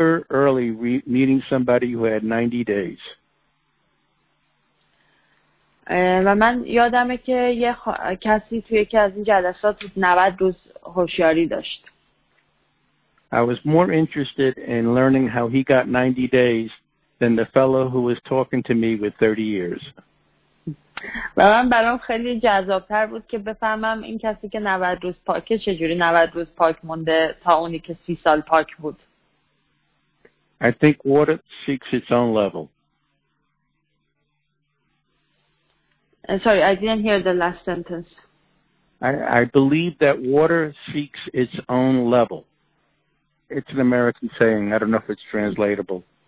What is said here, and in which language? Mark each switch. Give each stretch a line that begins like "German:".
English: I remember meeting somebody who had 90 days.
Persian: و من یادمه که یه کسی توی یکی از این جلسات 90 روز هوشیاری داشت.
English: I was more interested in learning how he got 90 days than the fellow who was talking to me with 30 years.
Persian: و من برام خیلی جذابتر بود که بفهمم این کسی که 90 روز پاکه چجوری 90 روز پاک مونده تا اونی که 30 سال پاک بود.
English: I think water seeks its own level. Sorry, I didn't hear the last sentence. I believe that water seeks its own level. It's an American saying. I don't know if it's translatable.